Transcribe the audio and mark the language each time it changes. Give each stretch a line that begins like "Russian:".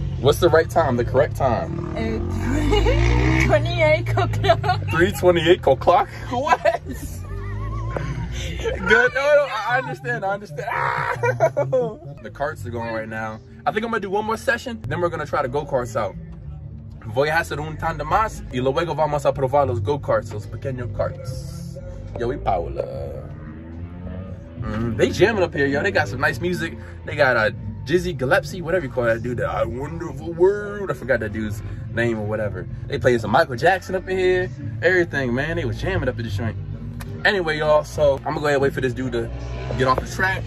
English: What's the right time, the correct time? 3:28 o'clock? What? Good. No, I understand. The carts are going right now. I think I'm gonna do one more session, then we're gonna try the go-karts out.
Spanish: Voy a hacer un tandem más y luego vamos a probar los go-karts, los pequeños carts. Yo y Paula.
English: They jamming up here, yo. They got some nice music. They got a Jizzy Gillespie, whatever you call that dude. The Wonderful World. I forgot that dude's name or whatever. They playing some Michael Jackson up in here. Everything, man. They was jamming up in the joint. Anyway, y'all, so I'm gonna go ahead and wait for this dude to get off the track.